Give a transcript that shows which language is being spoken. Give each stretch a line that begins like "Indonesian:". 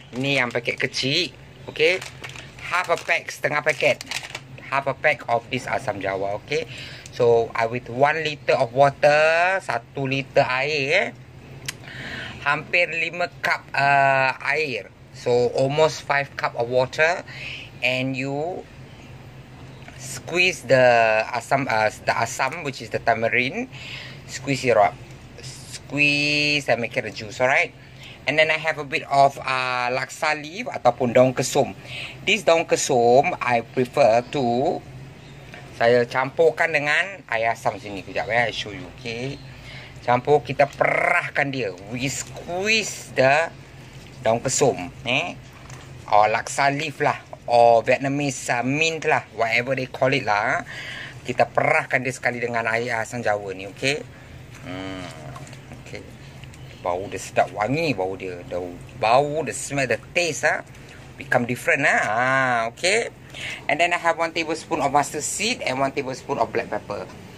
Malay: Ni yang packet kecil, okay?
English: Half a pack,
Malay: setengah packet.
English: Half a pack of this asam jawa, okay? So, I with 1 liter of water,
Malay: 1 liter air,
English: eh?
Malay: Hampir 5 cup air.
English: So, almost 5 cup of water. And you squeeze the asam, which is the tamarind. Squeeze it up. Squeeze and make it a juice, alright? And then I have a bit of laksa leaf
Malay: ataupun daun kesum. This daun kesum,
English: I prefer to
Malay: saya campurkan dengan air asam sini. Kejap,
English: I show you, okay?
Malay: Campur, kita perahkan dia.
English: We squeeze the daun kesum, eh? Or laksa leaf lah. Or Vietnamese mint lah. Whatever they call it lah.
Malay: Kita perahkan dia sekali dengan air asam jawa ni, okay? Okay. Bau dia sedap, wangi bau dia.
English: Bau, the smell, the taste ah, become different ah. Okay. And then I have 1 tablespoon of mustard seed and 1 tablespoon of black pepper.